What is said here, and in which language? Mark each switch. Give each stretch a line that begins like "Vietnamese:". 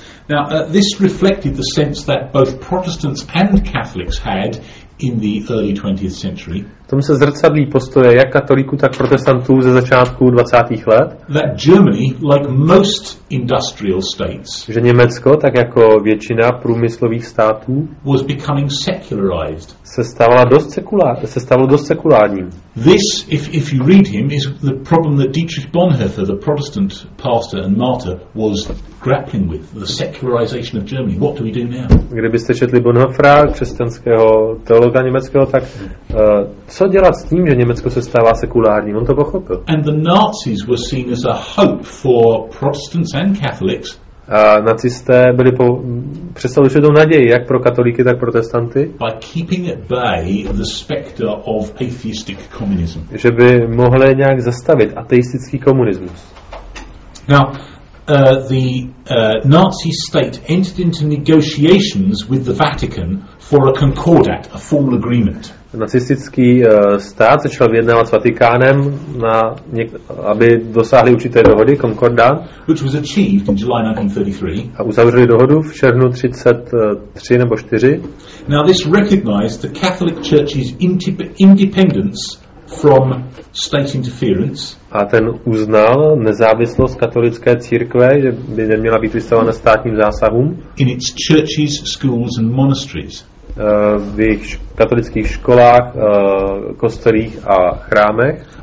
English: Now, this reflected the sense that both Protestants and Catholics had in the early 20th century.
Czech: Tam se zrcadlí postoje jak katolíků, tak protestantů ze začátku 20. let.
English: That Germany, like most industrial states,
Czech: že Německo, tak jako většina průmyslových států,
English: was becoming secularized.
Czech: Se stalo dost sekulárním.
English: This, if you read him, is the problem that Dietrich Bonhoeffer, the Protestant pastor and martyr, was grappling with, the secularization of Germany. What do we do now?
Czech: Kdybyste četli Bonhoeffera, křesťanského teologa německého, tak co dělat s tím, že Německo se stává sekulárním? On to pochopil.
English: And the Nazis were seen as a hope for Protestants and Catholics.
Czech: A nacisté byli představili určitou naději, jak pro katolíky, tak protestanty.
English: By keeping at bay the specter of atheistic communism.
Czech: Že by mohli nějak zastavit ateistický komunismus.
English: Now, the Nazi state entered into negotiations with the Vatican for a concordat, a formal agreement.
Czech: Nacistický stát začal vyjednávat s Vatikánem, aby dosáhli určité dohody, konkordát,
English: which was achieved in July 1933.
Czech: A uzavřeli dohodu v červnu 33 nebo 4.
English: Now this recognized the Catholic Church's independence from state interference.
Czech: A ten uznal nezávislost katolické církve, že by neměla být vystavena státním zásahům.
English: In its churches, schools and monasteries.
Czech: V jejich katolických školách, kostelích a chrámech.